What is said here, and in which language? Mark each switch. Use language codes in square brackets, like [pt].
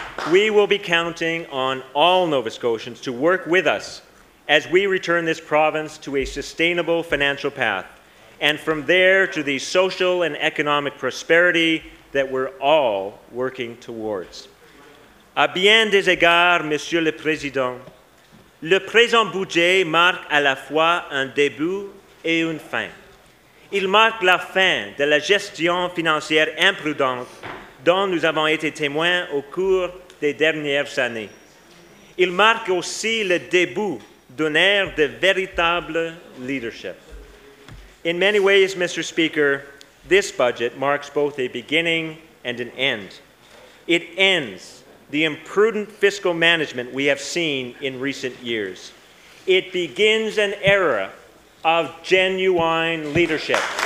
[en] We will be counting on all Nova Scotians to work with us as we return this province to a sustainable financial path, and from there to the social and economic prosperity that we're all working towards. [fr] À bien des égards, Monsieur le Président, le présent budget marque à la fois un début et une fin. Il marque la fin de la gestion financière imprudente dont nous avons été témoins au cours des dernières années. Il marque aussi le début donner de véritable leadership. [en] In many ways, Mr. Speaker, this budget marks both a beginning and an end. It ends the imprudent fiscal management we have seen in recent years. It begins an era of genuine leadership.